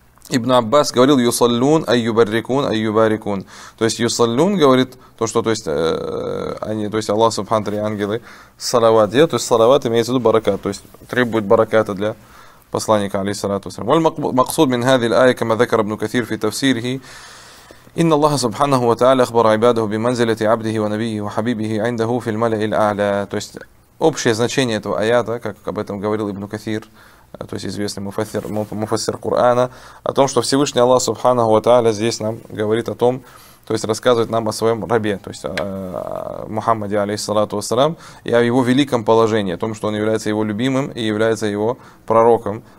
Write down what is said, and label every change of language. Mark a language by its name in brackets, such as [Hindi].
[Russian] Ибн Аббас говорил, [Arabic] юсаллун айюбаррикун айюбаррикун. [Russian] То есть юсаллун говорит то, что то есть, они, то есть Аллах Субхану Тааля, ангелы, салават делают. То есть салават имеет в виду баракат, то есть требует бараката для посланника, алейхиссалату вассалям. [Arabic] Валь максуд мин хази аля кама закара ибн Касир фи тафсирихи. إن الله سبحانه وتعالى أخبر عباده بمنزلة عبده ونبيه وحبيبه عنده في الملأ الأعلى. [Russian] То есть общее значение этого аята, как об этом говорил Ибн Касир, то есть известный муфассир Корана, о том, что Всевышний Аллах Субханаху ва Тааля здесь нам говорит о том, то есть рассказывает нам о своем рабе, то есть о Мухаммаде, алейхиссалату вассалям, и о его великом положении, о том, что он является его любимым и является его пророком.